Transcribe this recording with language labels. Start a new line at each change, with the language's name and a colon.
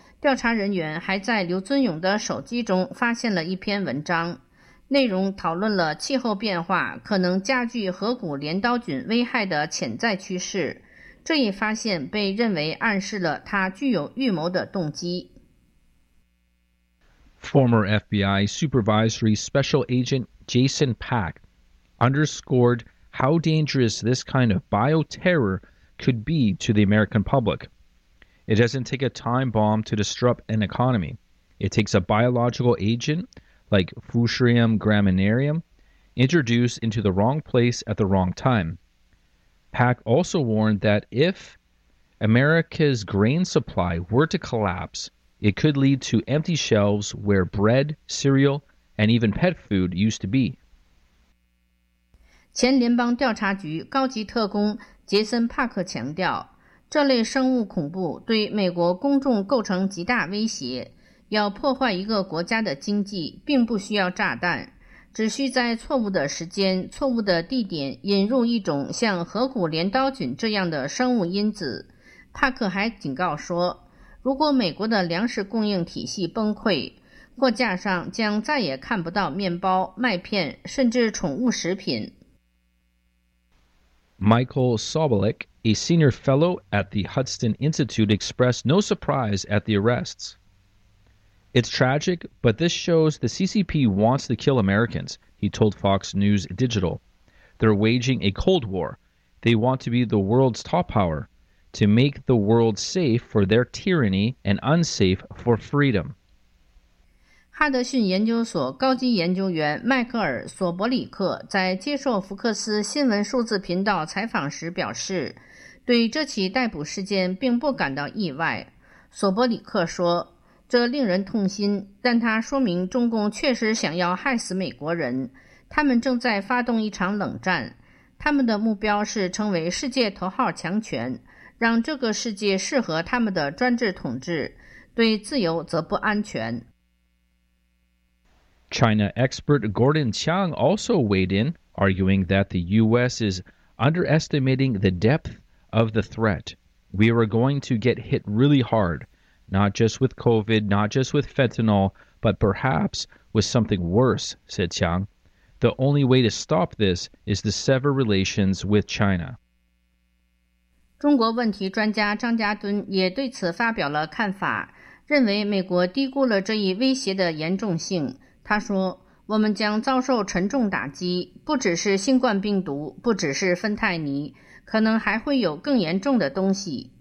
Chinese: 调查人员还在刘尊勇的手机中发现了一篇文章，内容讨论了气候变化可能加剧河谷镰刀菌危害的潜在趋势。这一发现被认为暗示了他具有预谋的动机。
English: Former FBI Supervisory Special Agent Jason Pack underscored how dangerious this kind of bioterror could be to the American public. It doesn't take a time bomb to disrupt an economy. It takes a biological agent, like Fusarium graminearum, introduced into the wrong place at the wrong time. Pack also warned that if America's grain supply were to collapse,It could lead to empty shelves where bread, cereal, and even pet food used to be.
Chinese: 前联邦调查局高级特工杰森·帕克强调，这类生物恐怖对美国公众构成极大威胁。要破坏一个国家的经济，并不需要炸弹，只需在错误的时间、错误的地点引入一种像河谷镰刀菌这样的生物因子。帕克还警告说，如果美国的粮食供应体系崩溃，货架上将再也看不到面包、麦片，甚至宠物食品。
English: Michael Sobolik, a senior fellow at the Hudson Institute, expressed no surprise at the arrests. It's tragic, but this shows the CCP wants to kill Americans, he told Fox News Digital. They're waging a cold war. They want to be the world's top power. To make the world safe for their tyranny and unsafe for freedom.
Chinese: 哈德逊研究所高级研究员迈克尔·索伯里克在接受福克斯新闻数字频道采访时表示，对这起逮捕事件并不感到意外。索伯里克说，这令人痛心，但它说明中共确实想要害死美国人，他们正在发动一场冷战，他们的目标是成为世界头号强权。让这个世界适合他们的专制统治，对自由则不安全。
English: China expert Gordon Chiang also weighed in, arguing that the U.S. is underestimating the depth of the threat. We are going to get hit really hard, not just with COVID, not just with fentanyl, but perhaps with something worse, said Chiang. The only way to stop this is to sever relations with China.
Chinese: 中国问题专家张家敦也对此发表了看法，认为美国低估了这一威胁的严重性。他说，我们将遭受沉重打击，不只是新冠病毒，不只是芬太尼，可能还会有更严重的东西。